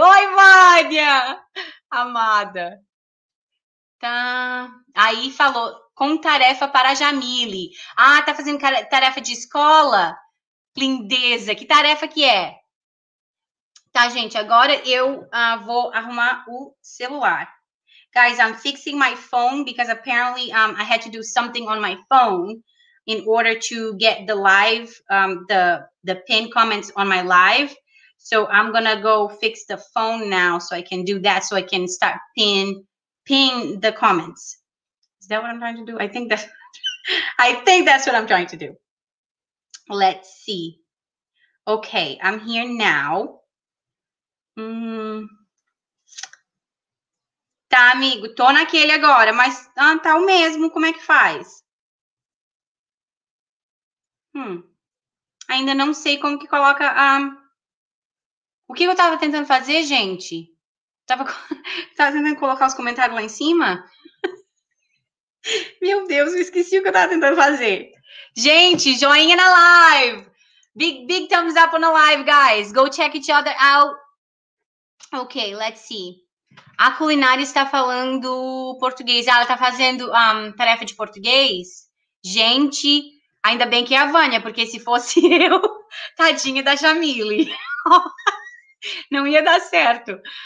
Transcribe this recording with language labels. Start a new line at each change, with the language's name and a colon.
Portuguese: Oi, Vânia! Amada. Tá. Aí falou, com tarefa para a Jamile. Ah, tá fazendo tarefa de escola? Lindeza, que tarefa que é? Tá, gente, agora eu vou arrumar o celular.
English: Guys, I'm fixing my phone because apparently I had to do something on my phone in order to get the live, the pinned comments on my live. So I'm gonna go fix the phone now so I can do that, so I can start ping the comments. Is that what I'm trying to do? I think that's what I'm trying to do. Let's see. Okay, I'm here now.
Portuguese: Tá, amigo, tô naquele agora, mas tá o mesmo, como é que faz? Ainda não sei como que coloca a... O que eu tava tentando fazer, gente? Tava tentando colocar os comentários lá em cima? Meu Deus, eu esqueci o que eu tava tentando fazer. Gente, joinha na live!
English: Big thumbs up on the live, guys. Go check each other out. Ok, let's see.
Portuguese: A Culinária está falando português. Ela tá fazendo tarefa de português? Gente, ainda bem que é a Vânia, porque se fosse eu, tadinha da Jamile. Não ia dar certo.